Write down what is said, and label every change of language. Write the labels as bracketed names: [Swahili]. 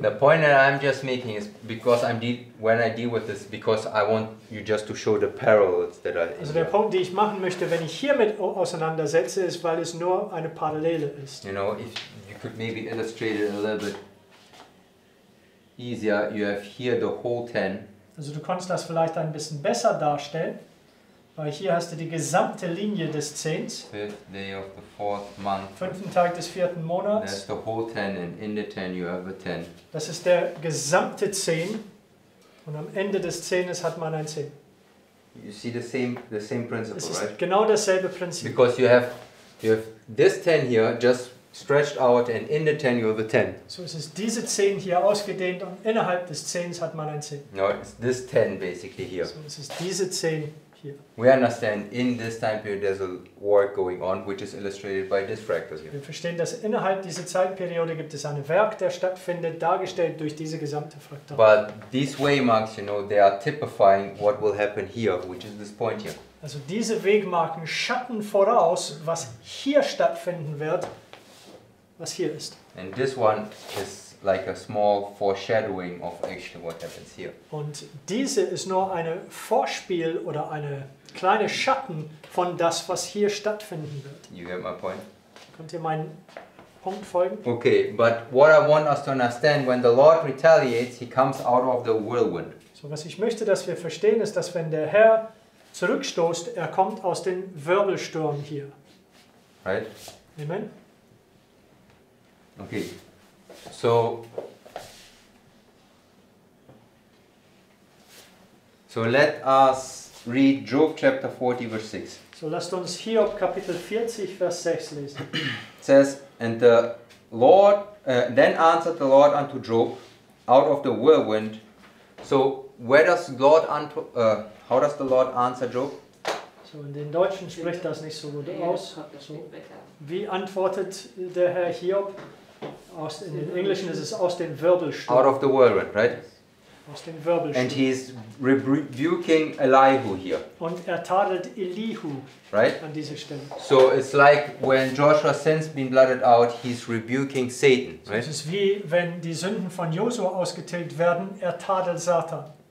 [English] The point that I'm just making is because I'm when I deal with this, because I want you just to show the parallels that are. [German] Also der Punkt, den ich machen möchte, wenn ich hiermit auseinandersetze, ist, weil es nur eine Parallele ist. [English] You know, if you could maybe illustrate it a little bit easier, you have here the whole ten. [German] Also du kannst das vielleicht ein bisschen besser darstellen. Weil hier hast du die gesamte Linie des Zehns. [English] Fifth day of the fourth month. [German] Fünften Tag des vierten Monats. [English] That's the whole ten, and in the ten you have a ten. [German] Das ist der gesamte Zehn, und am Ende des Zehnes hat man ein Zehn. [English] You see the same principle, [German] es ist [English] right? [German] Genau dasselbe Prinzip. [English] Because you have this ten here just stretched out, and in the ten you have a ten. [German] So es ist diese Zehn hier ausgedehnt, und innerhalb des Zehns hat man ein Zehn. [English] No, it's this ten basically here. [German] So es ist diese Zehn. [English] We understand in this time period there's a work going on, which is illustrated by this fractal here. [German] Wir verstehen, dass innerhalb dieser Zeitperiode gibt es ein Werk, der stattfindet, dargestellt durch diese gesamte Fraktur. [English] But these waymarks, you know, they are typifying what will happen here, which is this point here. [German] Also diese Wegmarken schatten voraus, was hier stattfinden wird, was hier ist. [English] And this one is like a small foreshadowing of actually what happens here. [German] Und diese ist nur eine Vorspiel oder eine kleine Schatten von das, was hier stattfinden wird. [English] You get my point? [German] Könnt ihr meinen Punkt folgen? [English] Okay, but what I want us to understand, when the Lord retaliates, he comes out of the whirlwind. [German] So was ich möchte, dass wir verstehen, ist, dass wenn der Herr zurückstoßt, er kommt aus dem Wirbelsturm hier. [English] Right? Amen? Okay. So, let us read Job chapter 40, verse 6. [German] So, lasst uns Hiob Kapitel 40, Vers 6 lesen. [English] It says, and the Lord, then answered the Lord unto Job out of the whirlwind. So, where does God, how does the Lord answer Job? [German] So, in den Deutschen spricht das nicht so gut aus. So, wie antwortet der Herr Hiob? In den Englischen ist es aus dem Wirbelsturm. [English] Out of the whirlwind, right? [German] Aus dem Wirbelsturm. [English] And he's rebuking Elihu here. [German] Und er tadelt Elihu, [English] right? [German] An dieser Stelle. [English] So it's like when Joshua sins been blotted out, he's rebuking Satan, right? [German] So es ist wie wenn die Sünden von Josua ausgetilgt werden, er tadelt Satan.